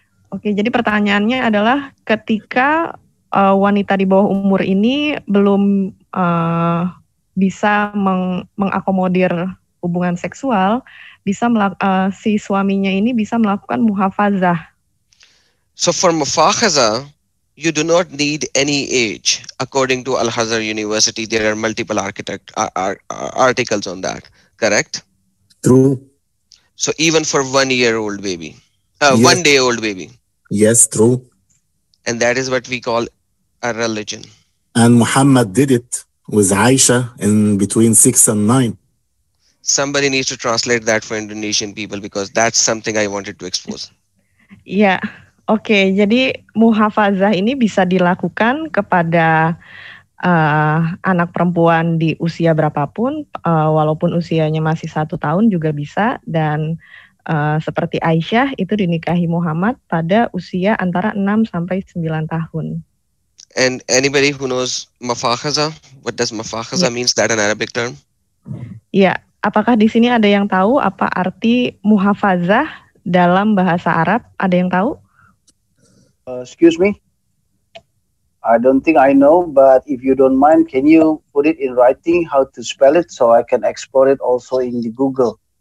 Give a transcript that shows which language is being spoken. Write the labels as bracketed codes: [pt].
[id] Okay, jadi pertanyaannya adalah ketika wanita di bawah umur ini belum bisa mengakomodir hubungan seksual, si suaminya ini bisa melakukan muhafazah. [en] So for muhafazah, you do not need any age. According to Al-Azhar University, there are multiple articles on that. Correct? True. So even for 1-year-old baby, yes. 1-day-old baby. Yes, true. And that is what we call a religion. And Muhammad did it with Aisha in between 6 and 9. Somebody needs to translate that for Indonesian people because that's something I wanted to expose. Yeah. Okay. [id] Jadi muhafazah ini bisa dilakukan kepada anak perempuan di usia berapapun, walaupun usianya masih 1 tahun juga bisa. Dan seperti Aisyah itu dinikahi Muhammad pada usia antara 6 sampai 9 tahun. [en] And anybody who knows mufakhazah, what does mufakhazah means? That an Arabic term? [id] Yeah. Apakah di sini ada yang tahu apa arti muhafazah dalam bahasa Arab? Ada yang tahu? [en] Excuse me. I don't think I know, but if you don't mind, can you put it in writing how to spell it so I can explore it also in the Google?